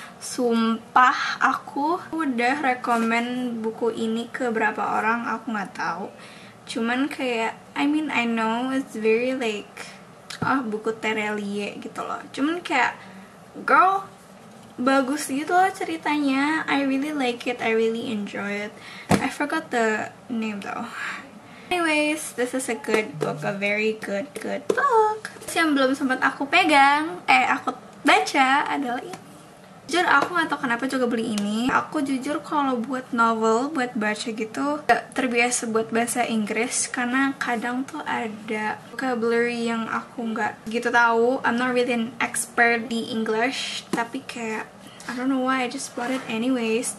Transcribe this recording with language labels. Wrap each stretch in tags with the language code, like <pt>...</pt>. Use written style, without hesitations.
<id>Sumpah aku udah rekomend buku ini ke berapa orang, aku nggak tahu. Cuman kayak,</id> <en>I mean I know it's very like, oh</en> <id>buku</id> <en>Tere Liye</en> <id>gitu loh. Cuman kayak, girl, bagus gitu loh ceritanya.</id> <en>I really like it, I really enjoy it. I forgot the name though. Anyways, this is a good book, a very good book.</en> <id>Yang belum sempat aku pegang, aku baca adalah ini. Jujur aku gak tau kenapa juga beli ini. Aku jujur kalau buat novel, buat baca gitu, gak terbiasa buat bahasa Inggris. Karena kadang tuh ada vocabulary yang aku gak gitu tahu.</id> <en>I'm not really an expert di English.</en> <id>Tapi kayak,</id> <en>I don't know why, I just bought it anyways.</en>